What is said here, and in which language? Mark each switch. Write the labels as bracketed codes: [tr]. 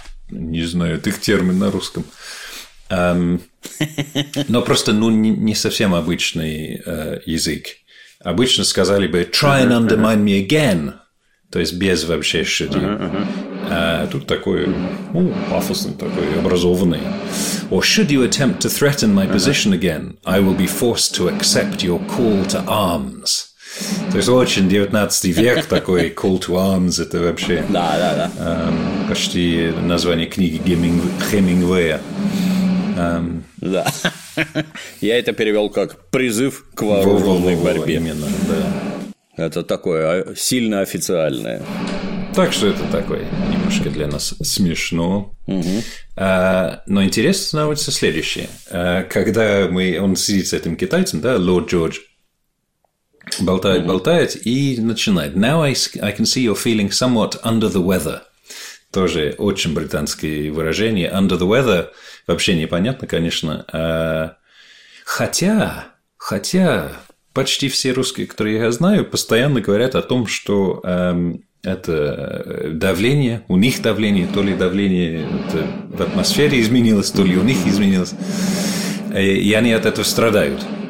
[ru] Не знаю этих термин на русском. Но просто ну, не совсем обычный язык. Обычно сказали бы [en] «try and undermine me again», [ru] то есть без вообще [en] «should you». [ru] А тут такой пафосный, такой образованный. [en] «Or should you attempt to threaten my position again, I will be forced to accept your call to arms». [ru] То есть очень 19 век такой «call to arms» – это вообще почти название книги Хемингуэя. Да. Я это перевел как призыв к вооруженной борьбе. Именно, да. Это такое сильно официальное. Так что это такое немножко для нас смешно. Но интересно становится следующее. Когда он сидит с этим китайцем, да, лорд Джордж, болтает и начинает. [en] «Now I can see you're feeling somewhat under the weather». [ru] Тоже очень британское выражение. «Under the weather» вообще непонятно, конечно. Хотя почти все русские, которые я знаю, постоянно говорят о том, что это давление, у них давление, то ли давление в атмосфере изменилось, то ли у них изменилось. И они от этого страдают.